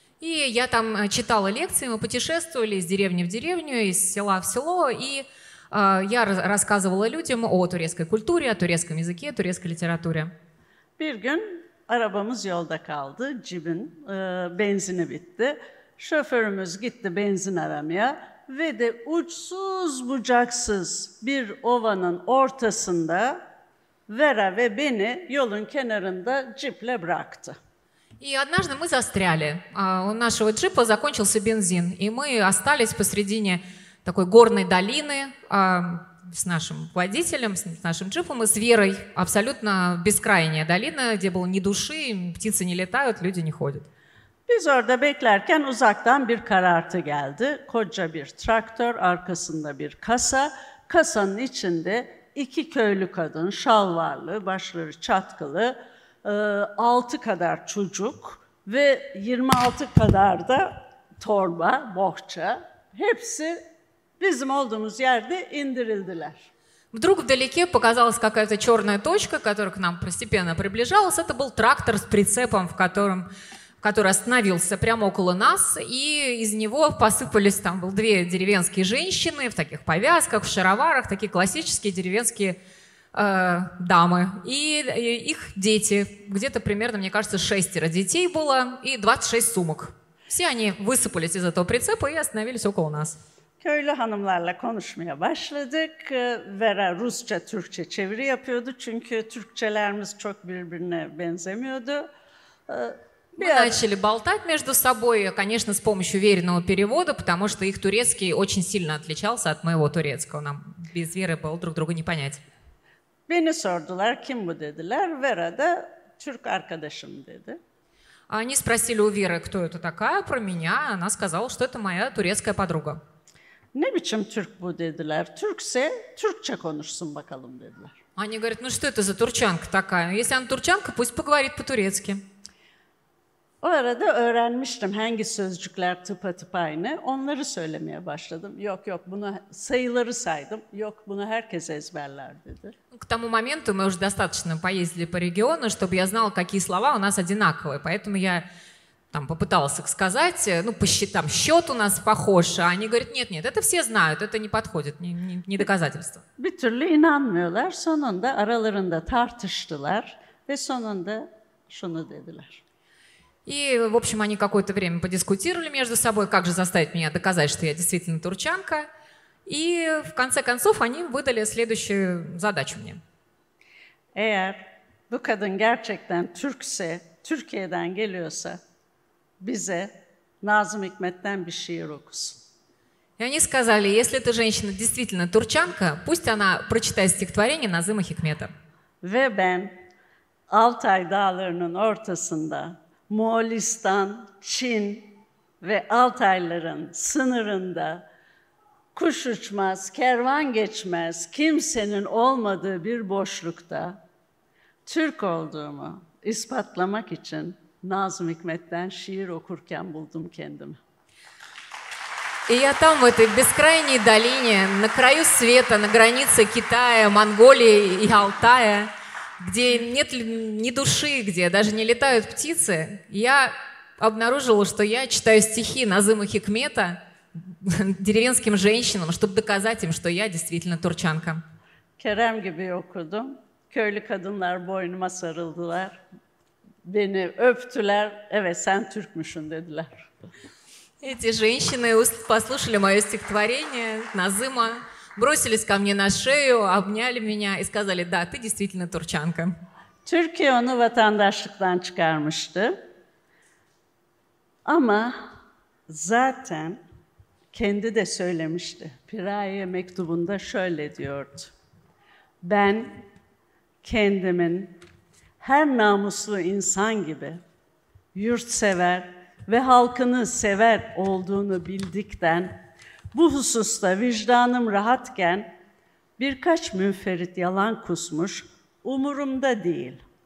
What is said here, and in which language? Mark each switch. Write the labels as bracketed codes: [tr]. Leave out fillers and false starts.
[ru] И я там читала лекции, мы путешествовали из деревни в деревню, из села в село, и я рассказывала людям о турецкой культуре, о турецком языке, о турецкой литературе. [tr] Bir gün arabamız yolda kaldı, cibin benzini bitti. Şoförümüz gitti benzin aramaya ve de uçsuz bucaksız bir ovanın ortasında Vera ve beni yolun kenarında ciple bıraktı. [ru] И однажды мы застряли. У нашего джипа закончился бензин, и мы остались посредине такой горной долины с нашим водителем, с нашим джипом и с Верой. Абсолютно бескрайняя долина, где было ни души, птицы не летают, люди не ходят. [tr] Biz orada beklerken uzaktan bir karartı geldi. Koca bir traktör, arkasında bir kasa. Kasanın içinde İki köylü kadın, şalvarlı, başları çatkılı, 6 kadar çocuk ve 26 kadar da torba, bohça. Hepsi bizim olduğumuz yerde indirildiler. [ru] Вдруг вдалеке показалась какая-то чёрная точка, которая к нам постепенно приближалась. Это был трактор с прицепом, который остановился прямо около нас, и из него посыпались, там был две деревенские женщины в таких повязках, в шароварах, такие классические деревенские дамы, и их дети, где-то примерно, мне кажется, шестеро детей было, и 26 сумок. Все они высыпались из этого прицепа и остановились около нас. [tr] Köylü hanımlarla konuşmaya başladık. Vera Rusça, Türkçe çeviri yapıyordu çünkü Türkçelerimiz çok birbirine benzemiyordu. [ru] Мы начали болтать между собой, конечно, с помощью веренного перевода, потому что их турецкий очень сильно отличался от моего турецкого. Нам без Веры было друг друга не понять. [tr] Beni sordular, kim bu dediler. Vera da Türk arkadaşım dedi. [ru] Они спросили у Веры, кто это такая, про меня. Она сказала, что это моя турецкая подруга. [tr] Ne biçim Türk bu dediler. Türkse, Türkçe konuşsun bakalım dediler. [ru] Они говорят, ну что это за турчанка такая? Если она турчанка, пусть поговорит по-турецки. [tr] O arada öğrenmiştim hangi sözcükler tıpatıp aynı. Onları söylemeye başladım. Yok yok bunu sayıları saydım. Yok bunu herkes ezberler dedi. [ru] К тому моменту мы уже достаточно поездили по региону, чтобы я знала, какие слова у нас одинаковые. Поэтому я там попыталась их сказать, ну посчитам, счет у нас похож. А они говорят, нет, нет, это все знают, это не подходит, не доказательство. [tr] Bir türlü inanmıyorlar. Sonunda aralarında tartıştılar ve sonunda şunu dediler. [ru] И, в общем, они какое-то время подискутировали между собой, как же заставить меня доказать, что я действительно турчанка. И, в конце концов, они выдали следующую задачу мне. [tr] Eğer bu kadın gerçekten Türkse, Türkiye'den geliyorsa, bize Nazım Hikmet'ten bir şiir okusun. [ru] И они сказали, если эта женщина действительно турчанка, пусть она прочитает стихотворение Назыма Хикмета. [tr] Ve ben Altay Dağları'nın ortasında Moğolistan, Çin ve Altayların sınırında kuş uçmaz, kervan geçmez, kimsenin olmadığı bir boşlukta Türk olduğumu ispatlamak için Nazım Hikmet'ten şiir okurken buldum kendimi. [ru] И я там, в этой бескрайней долине, на краю света, на границе Китая, Монголии и Алтая, где нет ни души, где даже не летают птицы, я обнаружила, что я читаю стихи Назыма Хикмета деревенским женщинам, чтобы доказать им, что я действительно турчанка. [tr] Kerem gibi okudum. Köylü kadınlar boynuma sarıldılar. Beni öptüler. Evet, sen Türkmüşsün dediler. [ru] Эти женщины послушали мое стихотворение Назыма, бросились ко мне на шею, обняли меня и сказали: «Да, ты действительно турчанка». [tr] Türkiye onu vatandaşlıktan çıkarmıştı. Ama zaten kendi de söylemişti. Piraye mektubunda şöyle diyordu: ben kendimin her namuslu insan gibi yurtsever ve halkını sever olduğunu bildikten, bu hususta vicdanım rahatken birkaç münferit yalan kusmuş, umurumda değil.